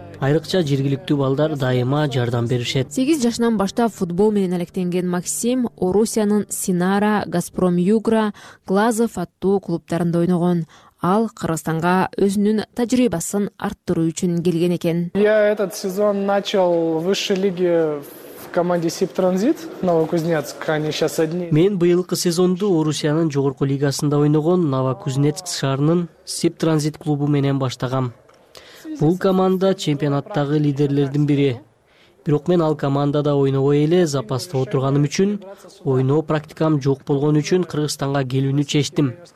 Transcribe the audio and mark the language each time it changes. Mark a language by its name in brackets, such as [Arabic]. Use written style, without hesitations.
[Kyrgyz] Айрыкча жергиликтүү балдар дайыма жардам беришет. 8 жашынан баштап футбол менен алектенген Максим Орусиянын Синара, Газпром Югра, Глазов аттуу клубтарында ойногон. Ал Кыргызстанга өзүнүн тажрыйбасын арттыруу үчүн келген экен. [Russian] Я этот сезон начал в высшей лиге в команде Сибтранзит, Новокузнецк, они сейчас одни. [Kyrgyz] Мен быйылкы сезонду Орусиянын жогорку лигасында ойногон Новокузнецк шаарынын Сибтранзит клубу менен баштагам. Бул команда чемпионаттагы лидерлердин бири. Бирок мен ал командада ойнобой эле запаста отурганым үчүн, ойноо практикам жок болгон үчүн Кыргызстанга келүүнү чечтим.